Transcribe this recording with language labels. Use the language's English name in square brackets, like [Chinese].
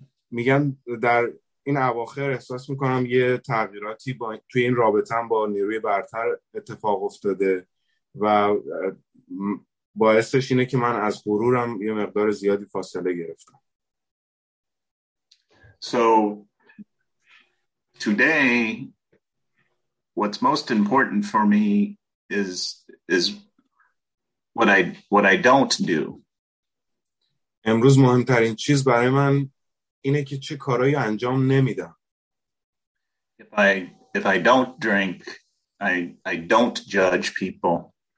[Persian] میگم در این اواخر احساس میکنم یه تغییراتی با توی این رابطه‌ام با نیروی برتر اتفاق افتاده و باعثش اینه که من از غرورم یه مقدار زیادی فاصله گرفتم. [English] So today, what's most important for me is what I don't do. [Persian] امروز مهمترین چیز برای من اینه که چه کارایی انجام نمیدم. [English] If I don't drink, I don't judge people.